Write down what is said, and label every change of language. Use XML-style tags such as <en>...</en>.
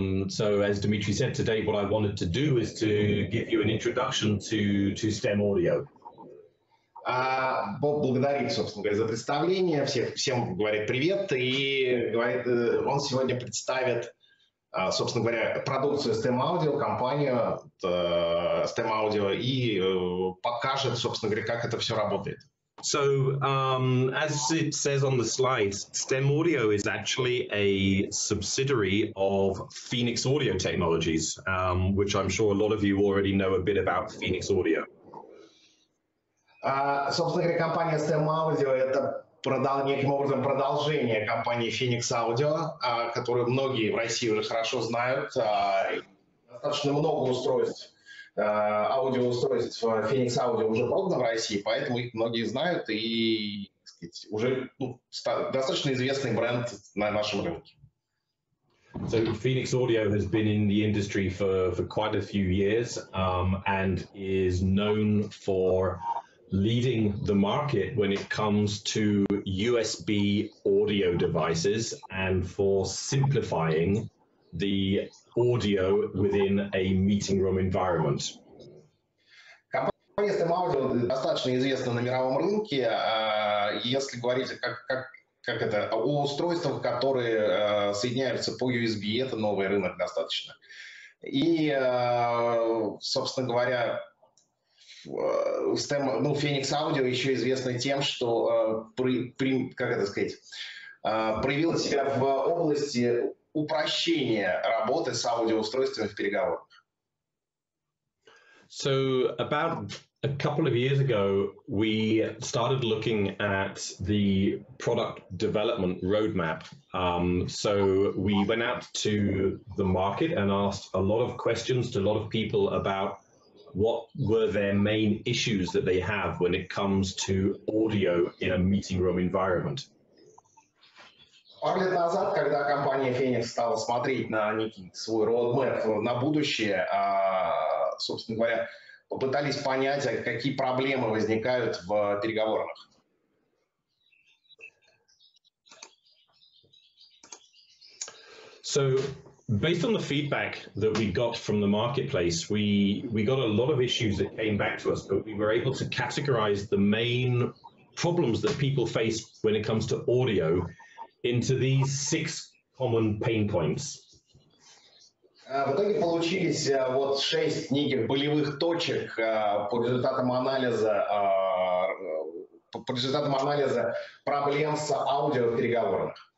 <en>So as Dimitri said today, what I wanted to do is to give you an introduction to StemAudio.</en> <ru>Боб благодарит, собственно говоря, за представление. Всем говорит привет. И говорит, он сегодня представит, собственно говоря, продукцию StemAudio, компанию StemAudio, и покажет, собственно говоря, как это все работает.</ru> <en>So, as it says on the slides, StemAudio is actually a subsidiary of Phoenix Audio Technologies, which I'm sure a lot of you already know a bit about Phoenix Audio.</en> <ru>Собственно говоря, компания StemAudio – это неким образом продолжение компании Phoenix Audio, которую многие в России уже хорошо знают. Достаточно много устройств. Аудиоустройств Phoenix Audio уже продано в России, поэтому их многие знают и, так сказать, уже достаточно известный бренд на нашем рынке.</ru> <en>So Phoenix Audio has been in the industry for quite a few years, and is known for leading the market when it comes to USB audio devices and for simplifying the audio within a meeting room environment.</en> <ru>Компания StemAudio достаточно известна на мировом рынке, если говорить как это, о устройствах, которые соединяются по USB, это новый рынок достаточно. И, собственно говоря, Phoenix Audio еще известна тем, что проявила себя в области упрощение работы с аудиоустройствами в переговорах.</ru> <en>So about a couple of years ago, we started looking at the product development roadmap. So we went out to the market and asked a lot of questions to a lot of people about what were their main issues that they have when it comes to audio in a meeting room environment.</en> <ru>Пару лет назад, когда компания Phoenix стала смотреть на некий свой roadmap на будущее, собственно говоря, попытались понять, какие проблемы возникают в переговорных.</ru> <en>So, based on the feedback that we got from the marketplace, we got a lot of issues that came back to us, but we were able to categorize the main problems that people face when it comes to audio into these six common pain points.</en> <ru>В итоге получились вот шесть неких болевых точек по результатам анализа проблем с аудио переговорах.</ru>